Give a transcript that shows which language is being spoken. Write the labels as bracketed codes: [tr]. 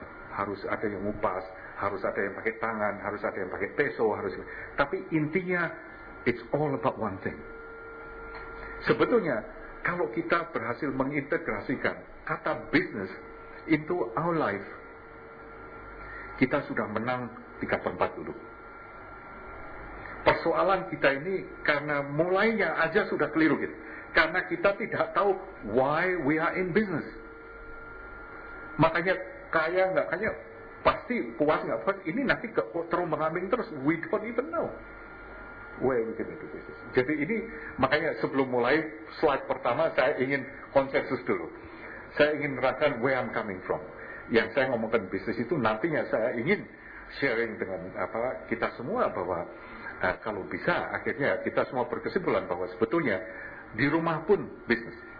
[id] Harus ada yang ngupas, harus ada yang pakai tangan, harus ada yang pakai peso, harus. Tapi intinya [en] it's all about one thing. [id] Sebetulnya kalau kita berhasil mengintegrasikan kata business [en] into our life, [id] kita sudah menang 3/4 dulu. Persoalan kita ini karena mulainya aja sudah keliru gitu. Karena kita tidak tahu [en] why we are in business. [id] Makanya kaya enggak kaya, pasti puas enggak puas, ini nanti terombang-ambing terus. [en] We don't even know where we can do business. [id] Jadi ini makanya sebelum mulai slide pertama saya ingin konsensus dulu. Saya ingin merasakan [en] where I'm coming from. [id] Yang saya ngomongkan bisnis itu nantinya saya ingin sharing dengan apa kita semua bahwa kalau bisa akhirnya kita semua berkesimpulan bahwa sebetulnya di rumah pun bisnis.